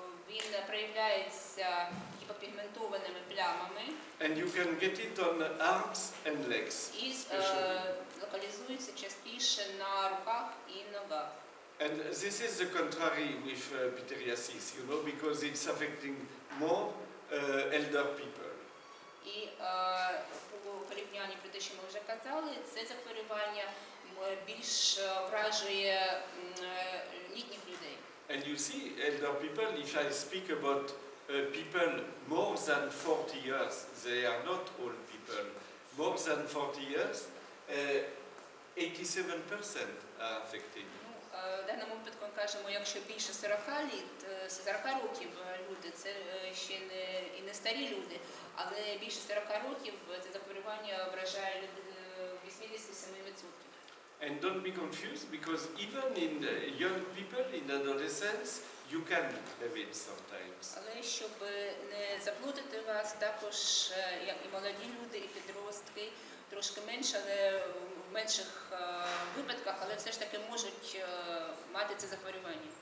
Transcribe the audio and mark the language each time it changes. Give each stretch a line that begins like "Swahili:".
Ukrainian: Він проявляється гіпопігментованими плямами.
English: And you can get it on arms and legs.
Ukrainian: І локалізується частіше на руках і ногах.
English: And this is the contrary with pityriasis, you know, because it's affecting more elder people.
Ukrainian: І по порівнянні про те, що ми вже казали, це захворювання більш вражує літніх людей.
English: And you see, elder people, if I speak about people more than 40 years, they are not old people, more than 40 years, 87% are affected.
Ukrainian: в даному випадку кажемо, якщо більше 40 років люди, це ще не і не старі люди, але більше 40 років це захворювання вражає 87%.
English: And don't be confused, because even in young people, in adolescents, you can have it sometimes.
Ukrainian: Але щоб не заплутати вас, також як і молоді люди, і підростки, трошки менше, але в менших випадках, але все ж таки можуть мати це захворювання.